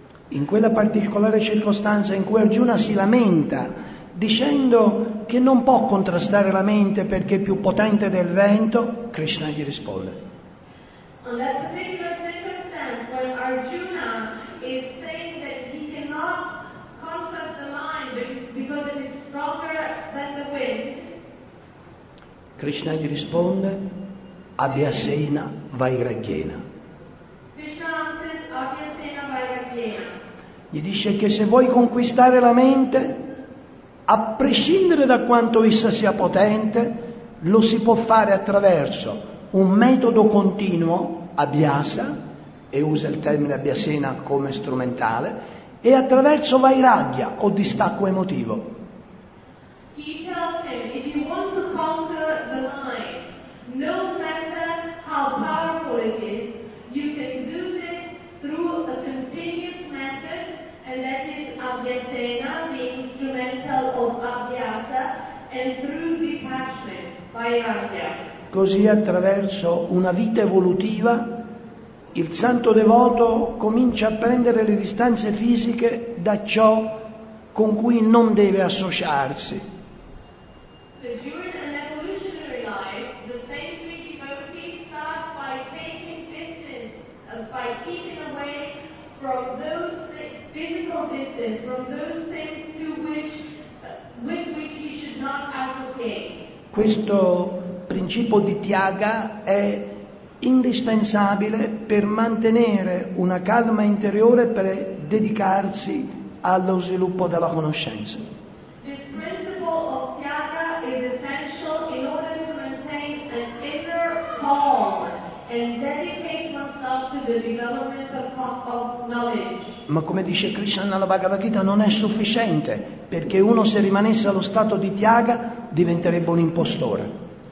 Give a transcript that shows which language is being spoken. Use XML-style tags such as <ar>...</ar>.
<it>In quella particolare circostanza in cui Arjuna si lamenta dicendo che non può contrastare la mente perché è più potente del vento, Krishna gli risponde.</it> <en>On that particular circumstance, when Arjuna is saying that he cannot contrast the mind because it is stronger than the wind,</en> <it>Krishna gli risponde, Abhyasena Vairagyena.</it> <en>Krishna answers, Abhyasena Vairagyena.</en> <it>Gli dice che se vuoi conquistare la mente, a prescindere da quanto essa sia potente, lo si può fare attraverso un metodo continuo, abhyasa, e usa il termine abhyasena come strumentale, e attraverso vairagya o distacco emotivo.</it> <en>He tells him, if you want to conquer the mind, no matter how powerful it is, you can do this through a continuous method, and that is abhyasena, the instrumental of abhyasa, and through detachment, vairagya.</en> <it>Così attraverso una vita evolutiva il santo devoto comincia a prendere le distanze fisiche da ciò con cui non deve associarsi.</it> <en>So during an evolutionary life, the saintly devotee starts by taking distance, by keeping away from those physical distance, from those things to which, with which he should not associate.</en> <it>Questo principio di tyaga è indispensabile per mantenere una calma interiore per dedicarsi allo sviluppo della conoscenza.</it> <en>This principle of tyaga is essential in order to maintain an inner calm and dedicate oneself to the development of knowledge.</en> <it>Ma come dice Krishna nella Bhagavad Gita, non è sufficiente, perché uno se rimanesse allo stato di tyaga diventerebbe un impostore.</it>